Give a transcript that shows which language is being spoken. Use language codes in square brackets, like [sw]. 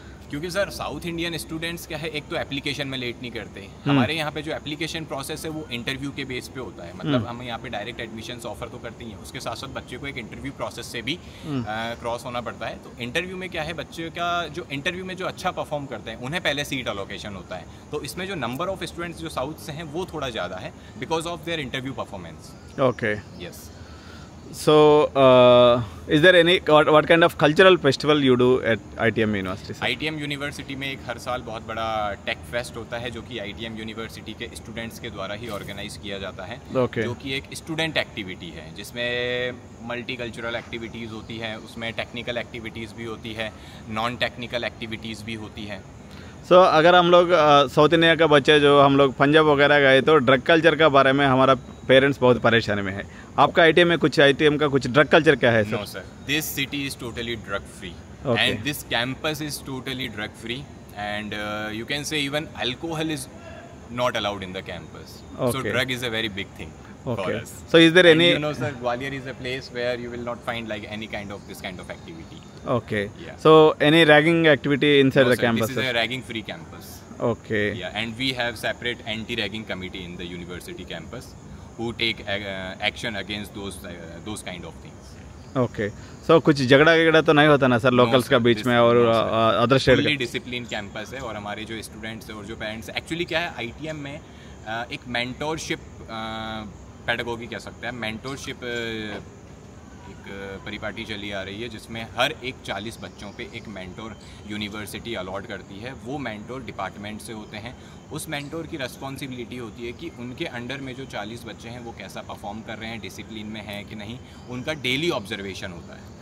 [hi] क्योंकि sir south Indian students क्या है, एक तो एप्लीकेशन में लेट नहीं करते, हमारे यहाँ पे जो एप्लीकेशन प्रोसेस है वो इंटरव्यू के बेस पे होता है, मतलब हम यहाँ पे डायरेक्ट एडमिशन ऑफर तो करते ही हैं, उसके साथ साथ बच्चे को एक इंटरव्यू प्रोसेस से भी क्रॉस होना पड़ता है। तो इंटरव्यू में क्या है, बच्चे का जो इंटरव्यू में जो अच्छा परफॉर्म करते हैं उन्हें पहले सीट अलोकेशन होता है, तो इसमें जो नंबर ऑफ स्टूडेंट्स जो साउथ से हैं वो थोड़ा ज़्यादा है [en] Because of their interview performance. Okay, yes. So, is there any, what kind of cultural festival you do at ITM University? Sir? [hi] ITM University में एक हर साल बहुत बड़ा टेक फेस्ट होता है जो कि ITM University के स्टूडेंट्स के द्वारा ही ऑर्गेनाइज किया जाता है। [en] Okay. [hi] जो कि एक स्टूडेंट एक्टिविटी है जिसमें मल्टीकल्चरल एक्टिविटीज़ होती है, उसमें टेक्निकल एक्टिविटीज़ भी होती है, नॉन टेक्निकल एक्टिविटीज़ भी होती है। सो अगर हम लोग साउथ इंडिया का बच्चे जो हम लोग पंजाब वगैरह गए तो ड्रग कल्चर के बारे में हमारा पेरेंट्स बहुत परेशान में है, आपका आईटीएम में कुछ आईटीएम का कुछ ड्रग कल्चर क्या है? [en] No sir, this city is totally drug free and this campus is totally drug free and you can say even alcohol is not allowed in the campus, so drug is a very big thing. So is there any, you know sir, Gwalior is a place where you will not find like any kind of this kind of activity. Okay. Yeah. So, any ragging activity inside the campus? No, sir. This is a ragging-free campus. Okay. Yeah. And we have separate anti-ragging committee in the university campus who take action against those kind of things. Okay. [hi] So, कुछ झगड़ा-गड़ा तो नहीं होता ना sir locals का बीच में और other state का? [en] Fully disciplined campus [hi] है और हमारे जो students और जो parents, actually क्या है ITM में एक mentorship pedagogy कह सकते हैं, mentorship एक परिपाटी चली आ रही है जिसमें हर एक 40 बच्चों पे एक मेंटोर यूनिवर्सिटी अलॉट करती है, वो मेंटोर डिपार्टमेंट से होते हैं, उस मेंटोर की रिस्पॉन्सिबिलिटी होती है कि उनके अंडर में जो 40 बच्चे हैं वो कैसा परफॉर्म कर रहे हैं, डिसिप्लिन में हैं कि नहीं, उनका डेली ऑब्जर्वेशन होता है।